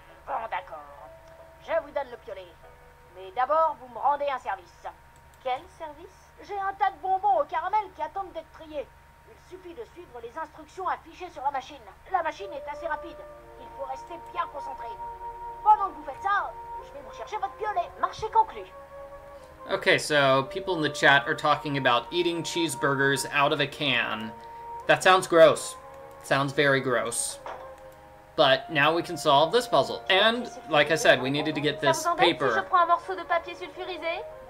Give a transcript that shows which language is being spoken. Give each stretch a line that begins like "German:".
French: Bon, d'accord. Je vous donne le piolet. Mais d'abord, vous me rendez un service. Quel service? J'ai un tas de bonbons au caramel qui attendent d'être triés. Ils suffit de suivre les instructions affichées sur la machine. La machine est assez rapide. Il faut rester bien concentré. Pendant que vous faites ça, je vais vous chercher votre piolet. Marché conclu.
English: Okay, so people in the chat are talking about eating cheeseburgers out of a can. That sounds gross. Sounds very gross. But now we can solve this puzzle. And, like I said, we needed to get this paper.
French: Ça vous embête si je prends un morceau de papier sulfurisé?